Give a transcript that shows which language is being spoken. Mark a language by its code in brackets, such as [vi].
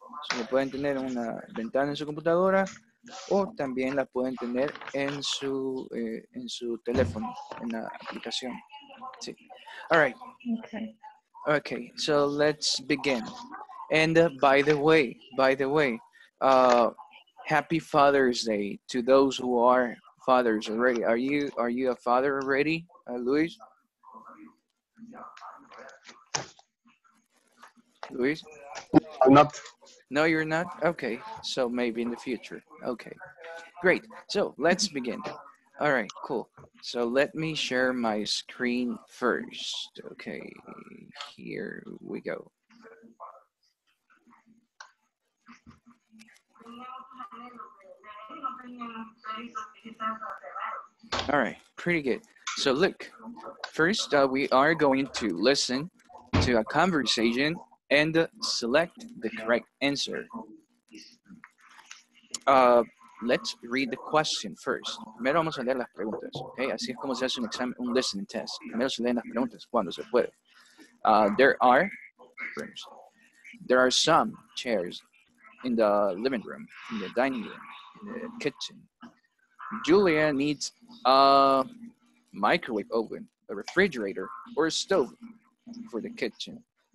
[es] So lo pueden tener una ventana en su computadora, o también la pueden tener en su teléfono, en la aplicación. [en] Sí. All right. Okay. Okay, so let's begin. And by the way, happy Father's Day to those who are fathers already. Are you a father already, Luis? Luis? I'm not. No, you're not? Okay, so maybe in the future. Okay, great. So let's begin. All right, cool. So let me share my screen first. Okay, here we go. All right, pretty good. So look, first we are going to listen to a conversation and select the correct answer. Let's read the question first. [es] Primero vamos a leer las preguntas. Okay, así es como se hace un examen, un listening test. Primero se leen las preguntas cuando se puede. [en] There are some chairs in the living room, in the dining room, in the kitchen. Julia needs a microwave oven, a refrigerator, or a stove for the kitchen.